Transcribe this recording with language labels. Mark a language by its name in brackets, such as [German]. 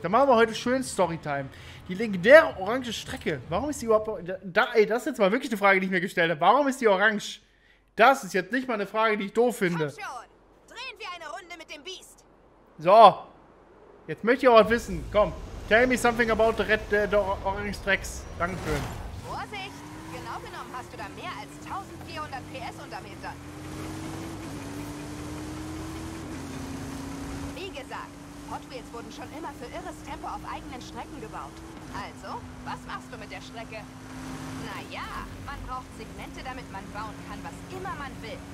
[German] Dann machen wir heute schön Storytime. Die legendäre orange Strecke, warum ist die überhaupt... das ist jetzt mal wirklich eine Frage, die ich mir gestellt habe. Warum ist die orange? Das ist jetzt nicht mal eine Frage, die ich doof finde. Komm schon, drehen wir eine Runde mit dem Biest. So, jetzt möchte ich auch was wissen. Komm, [English] tell me something about the red orange tracks. [German] Dankeschön. Vorsicht, genau genommen hast du da mehr als 1400 PS unterm Hintern. Wie gesagt, Hot Wheels wurden schon immer für irres Tempo auf eigenen Strecken gebaut. Also, was machst du mit der Strecke? Naja, man braucht Segmente, damit man bauen kann, was immer man will.